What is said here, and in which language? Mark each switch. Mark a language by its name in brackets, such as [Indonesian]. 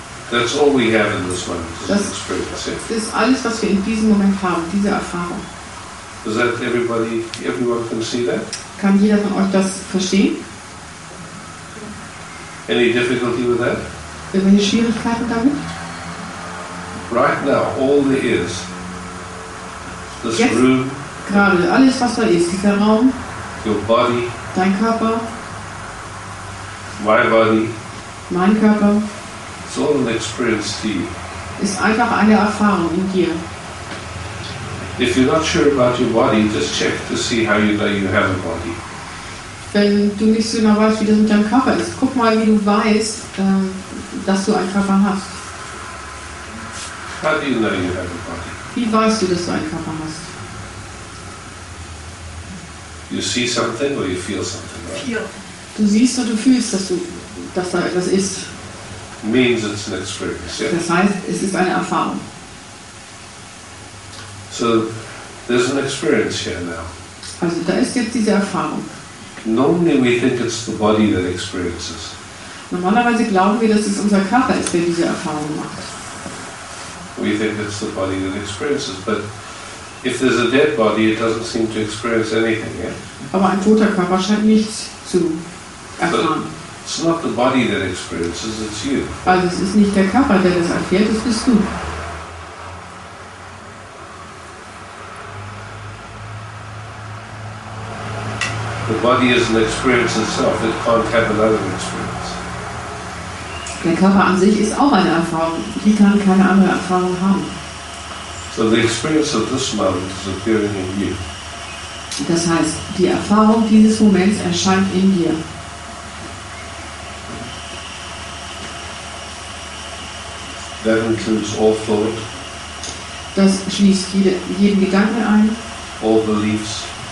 [English] That's all we have in this moment, is an experience. [German] Das ist alles, was wir in diesem Moment haben, diese Erfahrung. [English] Does that everyone can see that? [German] Kann jeder von euch das verstehen? [English] Any difficulty with that? [German] Irgendwelche Schwierigkeiten damit? [English] Right now, all there is, this [German] jetzt, [English] room, [German] gerade alles, was da ist, dieser Raum, [English] your body, [German] dein Körper, [English] my body, [German] mein Körper, [English] it's all an experience to you. [German] Ist einfach eine Erfahrung in dir. [English] If you're not sure about your body, just check to see how you know you have a body. [German] Wenn du nicht so genau weißt, wie das mit deinem Körper ist, guck mal, wie du weißt, dass du einen Körper hast. [English] How do you know you have a body? [German] Wie weißt du, dass du einen Körper hast? [English] You see something or you feel something, right? Feel. [German] Du siehst oder du fühlst, dass da etwas ist. [English] Means it's an experience, yeah. [German] Das heißt, es ist eine Erfahrung. [English] So, there's an experience here now. [German] Also da ist jetzt diese Erfahrung. [English] Normally we think it's the body that experiences. [German] Normalerweise glauben wir, dass es unser Körper ist, der diese Erfahrung macht. [English] We think it's the body that experiences, but if there's a dead body, it doesn't seem to experience anything, yeah? [German] Aber ein toter Körper scheint nichts zu erfahren. [English] But it's not the body that experiences, it's you. [German] Also es ist nicht der Körper, der das erfährt, es bist du. [English] The body is an experience itself, it can't have another experience. [German] Der Körper an sich ist auch eine Erfahrung, die kann keine andere Erfahrung haben. [English] So the experience of this moment is appearing in you. [German] Das heißt, die Erfahrung dieses Moments erscheint in dir. [English] That includes all thought. [German] Das schließt jeden Gedanken ein. [English] All beliefs.